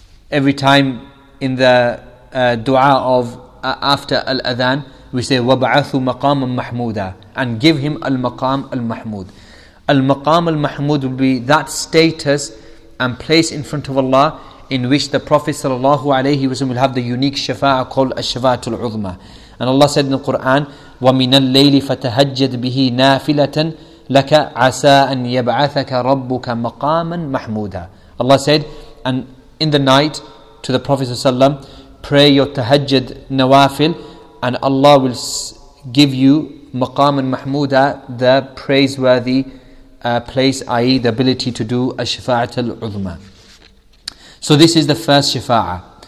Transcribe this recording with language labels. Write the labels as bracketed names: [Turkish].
[English] Every time in the dua of after al-adhan, we say [Arabic] wab'athu maqaman mahmooda, [English] and give him al-maqam al-mahmood. Al-maqam al-mahmood will be that status and place in front of Allah in which the Prophet sallallahu alayhi wasallam will have the unique shafa'ah called al-shafa'atul uzma. And Allah said in the Quran, [Arabic] وَمِنَ اللَّيْلِ فَتَهَجَّدْ بِهِ نَافِلَةً لَكَ عَسَىٰ أَن يَبْعَثَكَ رَبُّكَ مَقَامًا مَحْمُودًا. [English] Allah said, and in the night to the Prophet ﷺ, pray your tahajjud nawafil, and Allah will give you maqaman mahmuda, the praiseworthy place, i.e. the ability to do a shafa'at al-uzma. So this is the first shafa'ah.